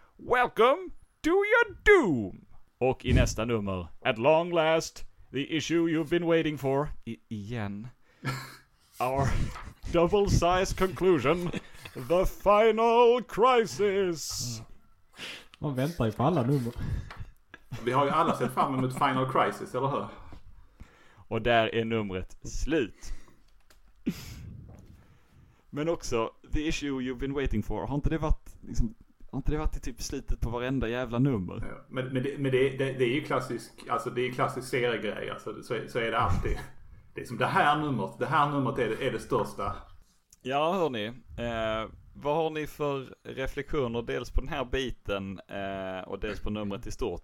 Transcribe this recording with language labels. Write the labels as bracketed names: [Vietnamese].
[English] Welcome to your doom! [Swedish] Och i nästa nummer, [English] at long last... The issue you've been waiting for. [Swedish] Igen. [English] Our double size conclusion. The final crisis. [Swedish] Man väntar ju på alla nummer. Vi har ju alla sett fram emot final crisis, eller hur? Och där är numret slut. Men också, [English] the issue you've been waiting for. [Swedish] Har inte det varit liksom... Har inte det varit i typ slitet på varenda jävla nummer? Ja, men det är ju klassisk, alltså det är klassisk seriegrej, alltså så är det alltid. Det är som det här numret är det största. Ja, hörni, vad har ni för reflektioner dels på den här biten och dels på numret i stort?